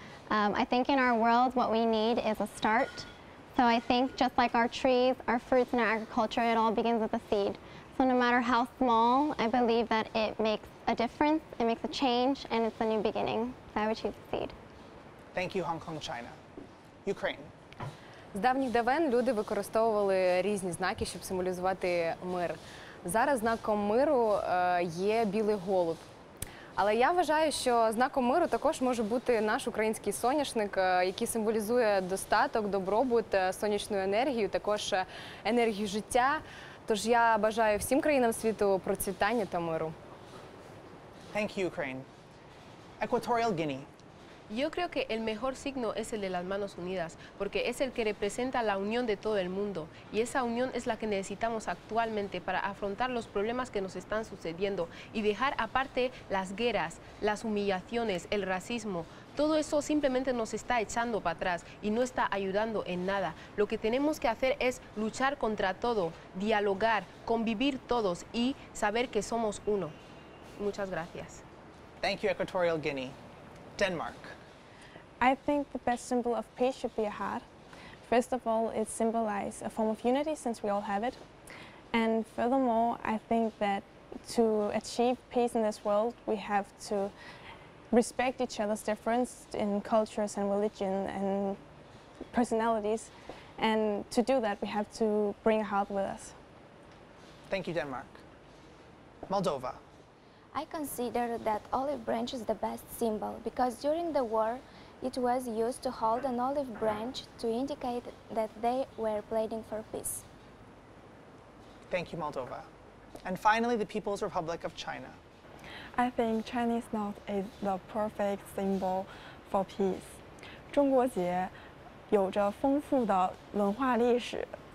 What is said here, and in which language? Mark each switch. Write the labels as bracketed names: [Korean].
[English] I think in our world, what we need is a start. So I think just like our trees, our fruits, and our agriculture, it all begins with a seed. So no matter how small, I believe that it makes a difference, it makes a change, and it's a new beginning. So I would choose a seed. Thank you, Hong Kong, China. Ukraine. [Ukrainian] З давніх давен люди використовували різні знаки, щоб символізувати мир. Зараз знаком миру є білий голуб. Але я вважаю, що знаком миру також може бути наш український соняшник, який символізує достаток, добробут, сонячну енергію, також енергію життя. Тож я бажаю всім країнам світу процвітання та миру. [English] Thank you, Ukraine. Equatorial Guinea. [Spanish] Yo creo que el mejor signo es el de las manos unidas, porque es el que representa la unión de todo el mundo. Y esa unión es la que necesitamos actualmente para afrontar los problemas que nos están sucediendo y dejar aparte las guerras, las humillaciones, el racismo. Todo eso simplemente nos está echando para atrás y no está ayudando en nada. Lo que tenemos que hacer es luchar contra todo, dialogar, convivir todos y saber que somos uno. Muchas gracias. [English] Thank you, Equatorial Guinea. Denmark. I think the best symbol of peace should be a heart. First of all, it symbolizes a form of unity since we all have it. And furthermore, I think that to achieve peace in this world, we have to respect each other's difference in cultures and religion and personalities. And to do that, we have to bring a heart with us. Thank you, Denmark. Moldova. I consider that olive branch is the best symbol because during the war it was used to hold an olive branch to indicate that they were pleading for peace. Thank you, Moldova. And finally, the People's Republic of China. I think Chinese knot is the perfect symbol for peace. [Chinese] 中国节有着丰富的文化历史。